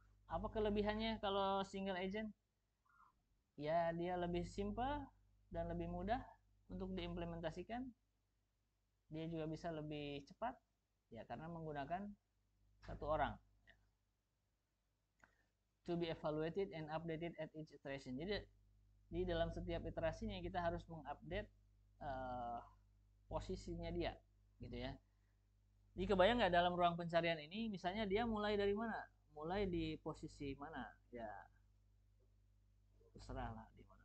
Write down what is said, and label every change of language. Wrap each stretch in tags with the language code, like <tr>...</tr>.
<id>Apa kelebihannya kalau single agent? Ya, dia lebih simple dan lebih mudah untuk diimplementasikan. Dia juga bisa lebih cepat, ya, karena menggunakan satu orang.</id> <en>To be evaluated and updated at each iteration.</en> <id>Jadi, di dalam setiap iterasinya kita harus mengupdate posisinya dia, gitu ya. Jadi kebayang nggak dalam ruang pencarian ini, misalnya dia mulai dari mana? Mulai di posisi mana? Ya, terserah lah di mana.</id>